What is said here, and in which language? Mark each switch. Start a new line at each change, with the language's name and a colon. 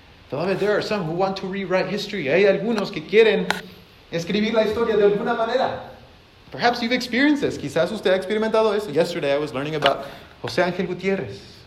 English: Beloved, there are some who want to rewrite history.
Spanish: Hay algunos que quieren escribir la historia de alguna manera.
English: Perhaps you've experienced this.
Spanish: Quizás usted ha experimentado eso.
English: Yesterday I was learning about José Ángel Gutiérrez.